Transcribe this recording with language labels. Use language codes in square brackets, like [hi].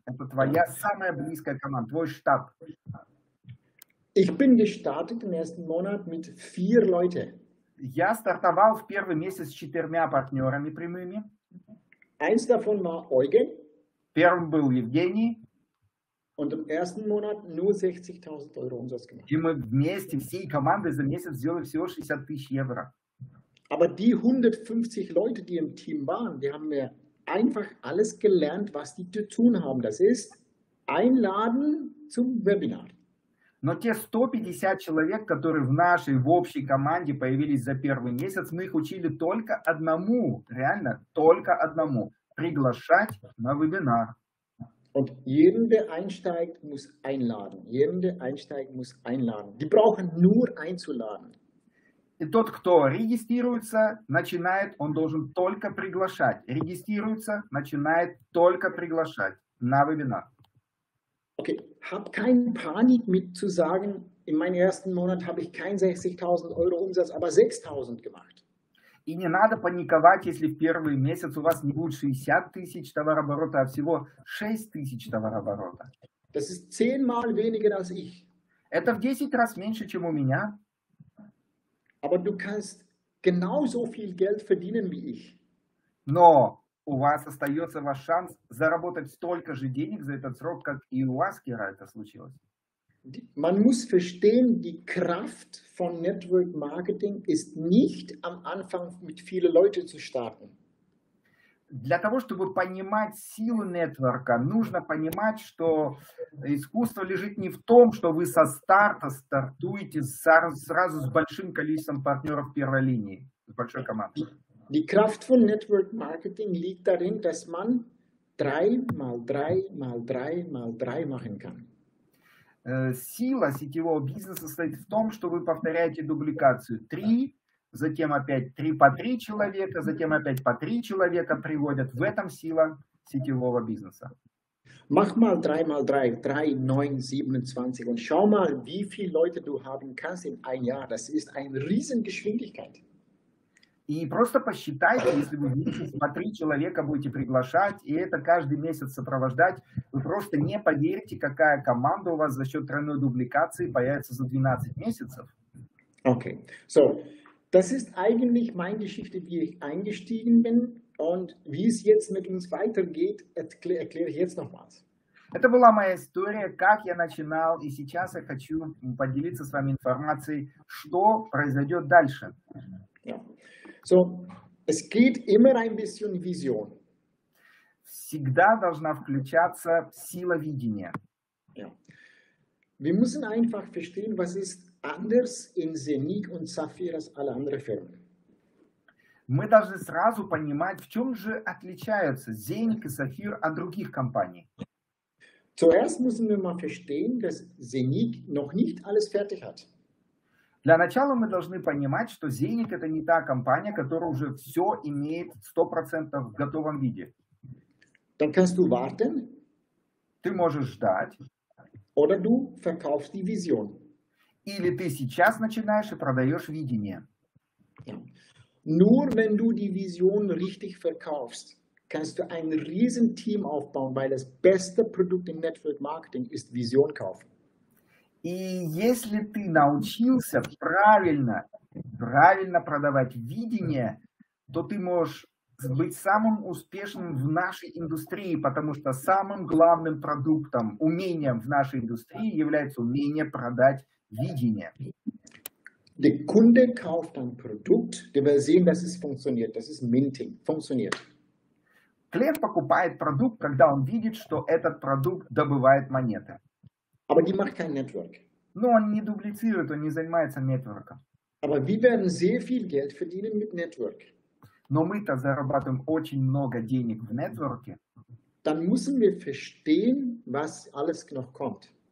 [ru] Это твоя самая близкая команда, твой штаб. [de] Ich bin gestartet im ersten Monat mit 4 Leute. [ru] Я стартовал в первый месяц с 4 партнерами прямыми. [de] Eins davon war Eugen. [ru] Первым был Евгений. [de] Und im ersten Monat nur 60.000 Euro Umsatz gemacht. [ru] И мы вместе всей командой за месяц сделали всего 60 тысяч евро. [de] Aber die 150 Leute, die im Team waren, die haben mir einfach alles gelernt, was die zu tun haben. Das ist einladen zum Webinar. [ru] Но те 150 человек, которые в нашей, в общей команде появились за первый месяц, мы их учили только одному, реально, только одному, приглашать на вебинар. [de] Und jeden, der einsteigt, muss einladen. Jeden, der einsteigt, muss einladen. Die brauchen nur einzuladen. [ru] И тот, кто регистрируется, начинает, он должен только приглашать. Регистрируется, начинает только приглашать на вебинар. [de] Okay, hab keine Panik mit zu sagen, in meinem ersten Monat habe ich kein 60.000 Euro Umsatz, aber 6.000 gemacht. [ru] И не надо паниковать, если в первый месяц у вас не будет 60 тысяч товарооборота, а всего 6 тысяч товарооборота. [de] Das ist 10-mal weniger als ich. [ru] Это в 10 раз меньше, чем у меня. [de] Aber du kannst genauso viel Geld verdienen wie ich. [ru] Но у вас остается ваш шанс заработать столько же денег за этот срок, как и у вас, Кира, это случилось. [de] Man muss verstehen, die Kraft von Network Marketing ist nicht am Anfang mit vielen Leuten zu starten. [ru] Для того, чтобы понимать силу нетворка, нужно понимать, что искусство лежит не в том, что вы со старта стартуете сразу с большим количеством партнеров первой линии, с большой командой. [de] Die Kraft von Network Marketing liegt darin, dass man 3 × 3 × 3 × 3 machen kann. [ru] Сила сетевого бизнеса состоит в том, что вы повторяете дубликацию 3, затем опять 3 по 3 человека, затем опять по 3 человека приводят. В этом сила сетевого бизнеса. [de] Mach mal 3 mal 3, 3, 9, 27 und schau mal, wie viele Leute du haben kannst in ein Jahr. Das ist eine Riesengeschwindigkeit. [ru] И просто посчитайте, если вы по 3 человека будете приглашать, и это каждый месяц сопровождать, вы просто не поверите, какая команда у вас за счет тройной дубликации появится за 12 месяцев. Okay. [de] So, das ist eigentlich meine Geschichte, wie ich eingestiegen bin, und wie es jetzt mit uns weitergeht, erkläre ich jetzt nochmals. [ru] Это была моя история, как я начинал, и сейчас я хочу поделиться с вами информацией, что произойдет дальше. [de] So, es geht immer ein bisschen Vision. [ru] Всегда должна включаться сила видения. Yeah. [de] Wir müssen einfach verstehen, was ist anders in Zenith und Sapphire als alle anderen Firmen. [ru] Мы должны сразу понимать, в чем же отличаются Zenith и Sapphire от других компаний. [de] Zuerst müssen wir mal verstehen, dass Zenith noch nicht alles fertig hat. [ru] Для начала мы должны понимать, что Zenith – это не та компания, которая уже все имеет 100% в готовом виде. [de] Dann kannst du warten. [ru] Ты можешь ждать. [de] Oder du verkaufst die Vision. [ru] Или ты сейчас начинаешь и продаешь видение. [de] Nur wenn du die Vision richtig verkaufst, kannst du ein riesen Team aufbauen, weil das beste Produkt im Network Marketing ist Vision kaufen. [ru] И если ты научился правильно продавать видение, то ты можешь быть самым успешным в нашей индустрии, потому что самым главным продуктом, умением в нашей индустрии является умение продать видение. [de] Der Kunde kauft ein Produkt, der will sehen, dass es funktioniert. Das ist Minting. Funktioniert. [ru] Клиент покупает продукт, когда он видит, что этот продукт добывает монеты. [de] Aber die macht kein Network. [ru] Но он не дублицирует, он не занимается нетворком. [de] Aber wir werden sehr viel Geld verdienen mit Network. [ru] Но мы-то зарабатываем очень много денег в нетворке. [de] Dann müssen wir verstehen, was alles noch kommt.